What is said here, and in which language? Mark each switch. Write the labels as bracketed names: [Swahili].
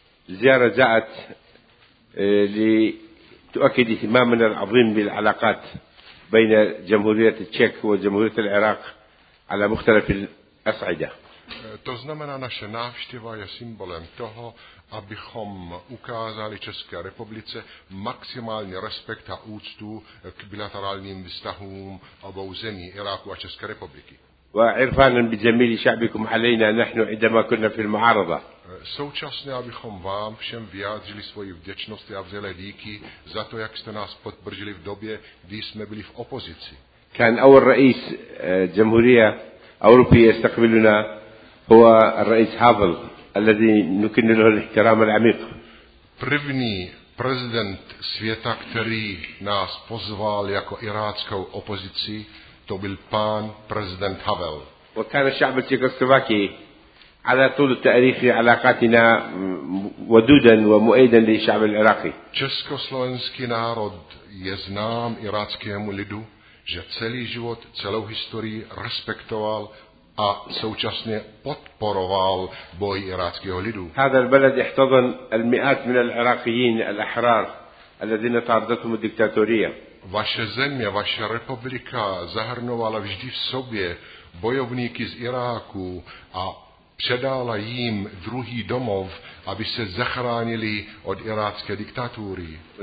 [Arabic] الزيارة جاءت لتؤكد اهتمامنا العظيم بالعلاقات بين جمهورية التشيك وجمهورية العراق على مختلف الأصعدة. [Czech] To znamená, naše návštěva je symbolem toho, abychom ukázali České republice maximální respekt a úctu k bilaterálním vztahům obou zemí Iráku a České republiky. [Arabic] وعرفانا بجميل شعبكم علينا نحن عندما كنا في المعارضة. [Czech] Současně, abychom vám všem vyjádřili svoji vděčnost a vzele díky za to, jak jste nás podpořili v době, kdy jsme byli v opozici. [Arabic] كان أول رئيس جمهورية أوروبية يستقبلنا هو الرئيس هافل الذي نكن له الاحترام العميق. [Czech] První prezident světa, který nás pozval jako iráckou opozici, to byl pán prezident Havel. [Arabic] وكان الشعب التشيكوسلوفاكي على طول التاريخ علاقاتنا ودودا ومؤيدا للشعب العراقي. [Czech] Československý národ je znám iráckému lidu, že celý život, celou historii respektoval a současně podporoval boj iráckého lidu. [Arabic] هذا البلد احتضن المئات من العراقيين الأحرار الذين طاردتهم الدكتاتورية. [Czech] Vaše země, vaše republika zahrnovala vždy v sobě bojovníky z Iráku a předala jim druhý domov, aby se zachránili od irácké diktatury.